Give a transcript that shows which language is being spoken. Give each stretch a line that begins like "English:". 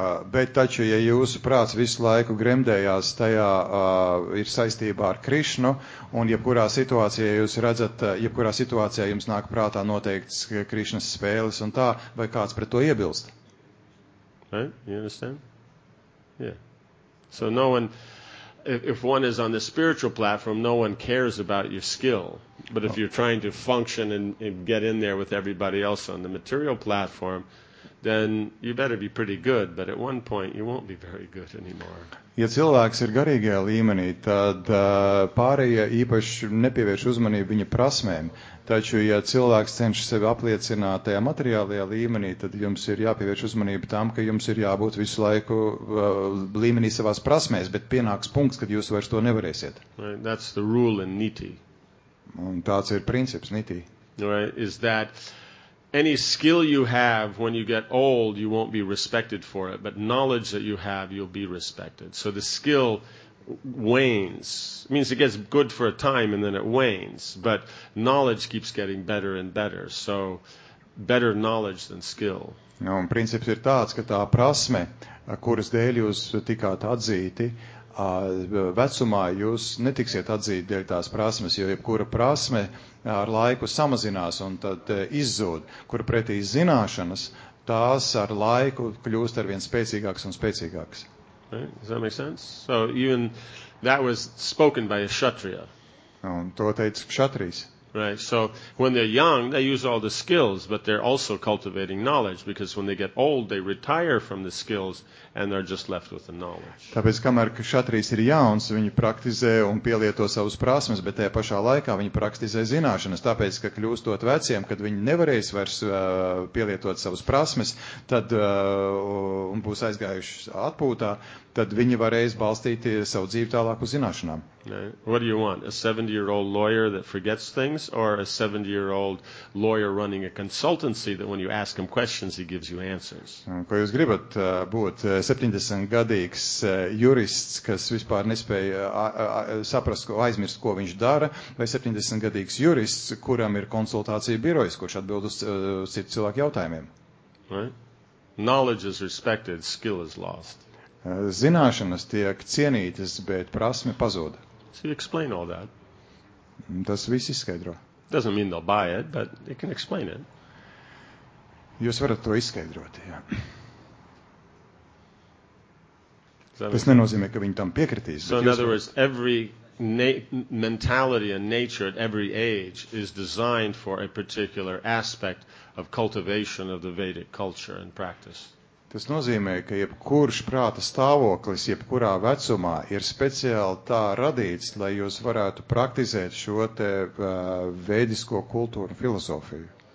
Latvian: Bet taču, ja jūsu prāts visu laiku gremdējās, tajā ir saistībā ar Krišnu, un jebkurā situācijā jūs redzat, jebkurā situācijā jums nāk prātā noteikts Krišnas spēles un tā, vai kāds pret to iebilst?
English: Right? You understand? Yeah. So no one, if one is on the spiritual platform, no one cares about your skill. But if you're trying to function and get in there with everybody else on the material platform, then you better be pretty good, but at one point you won't be very good anymore.
Latvian: Ja cilvēks ir garīgajā līmenī, tad pārējie īpaši nepievērš uzmanību viņa prasmēm. Taču, ja cilvēks cenšas sevi apliecināt tajā materiālajā līmenī, tad jums ir jāpievērš uzmanību tam, ka jums ir jābūt visu laiku līmenī savās prasmēs, bet pienāks punkts, kad jūs vairs to nevarēsiet.
English: Right, that's the rule in Niti.
Latvian: Un tāds ir princips Niti.
English: Right, is that any skill you have, when you get old, you won't be respected for it, but knowledge that you have, you'll be respected. So the skill wanes. It means it gets good for a time and then it wanes, but knowledge keeps getting better and better. So better knowledge than skill.
Latvian: No, un princips ir tāds, ka tā prasme, kuras dēļ jūs tikāt atzīti, vecumā jūs netiksiet atzīt dēļ tās prasmes, jo jebkura prasme ar laiku samazinās un tad izzūd, kur pretī zināšanas, tās ar laiku kļūst arvien spēcīgāks un spēcīgāks.
English: Right. Does that make sense? So even that was spoken by a kshatriya.
Latvian: Un to teica kshatrijs.
English: Right, so when they're young, they use all the skills, but they're also cultivating knowledge, because when they get old, they retire from the skills, and they're just left with the knowledge.
Latvian: Tāpēc, kamēr kšatrijs ir jauns, viņi praktizē un pielieto savus prasmes, bet tajā pašā laikā viņi praktizē zināšanas. Tāpēc, ka kļūstot veciem, kad viņi nevarēs vairs pielietot savus prasmes, tad un būs aizgājuši atpūtā, tad viņi varēs balstīt savu dzīvi tālāk uz zināšanām.
English: Right. What do you want? A 70-year-old lawyer that forgets things or a 70-year-old lawyer running a consultancy that when you ask him questions, he gives you answers?
Latvian: Ko jūs gribat būt? 70-gadīgs jurists, kas vispār nespēja saprast, ko aizmirst, ko viņš dara, vai 70-gadīgs jurists, kuram ir konsultācija birojas, kurš atbild uz citu cilvēku jautājumiem?
English: Right. Knowledge is respected, skill is lost.
Latvian: Zināšanas tiek cienītas, bet prasme pazūda.
English: So you explain all that.
Latvian: Tas viss izskaidro.
English: Doesn't mean they'll buy it, but they can explain it.
Latvian: Jūs varat to izskaidrot, jā. Tas nenozīmē, ka viņi tam piekritīs.
English: So in other words, every mentality and nature at every age is designed for a particular aspect of cultivation of the Vedic culture and practice.
Latvian: Tas nozīmē, ka jebkurš prāta stāvoklis, jebkurā vecumā ir speciāli tā radīts, lai jūs varētu praktizēt šo te vēdisko kultūru filozofiju.